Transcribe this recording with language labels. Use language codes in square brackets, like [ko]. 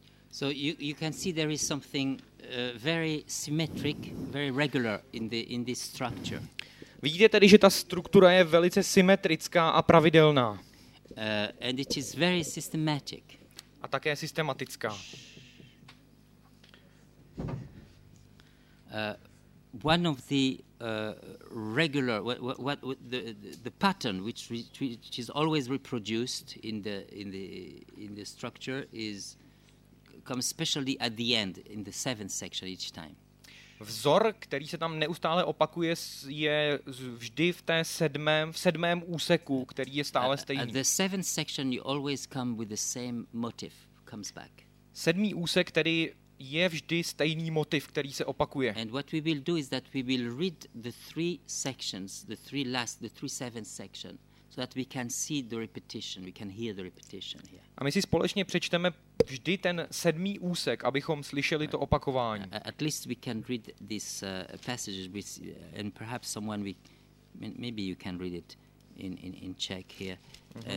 [en] So you can see there is something very symmetric, very regular in this structure. [cs] Vidíte tedy, že ta struktura je velice symetrická a pravidelná. [en] And it is very systematic. [cs] A také systematická. [en] One of the regular the pattern which is always reproduced in the structure is comes especially at the end in the seventh section each time. [cs] Vzor, který se tam neustále opakuje, je vždy v té sedmém úseku, který je stále stejný. [en] At the seventh section you always come with the same motif comes back. [cs] Sedmý úsek, který je vždy stejný motiv, který se opakuje. [en] And what we will do is that we will read the three sections, the three seventh section, so that we can see the repetition, we can hear the repetition here. [cs] A my si společně přečteme vždy ten sedmý úsek, abychom slyšeli to opakování. [en] At least we can read this passage with, and perhaps someone we maybe you can read it in Czech here. Mm-hmm.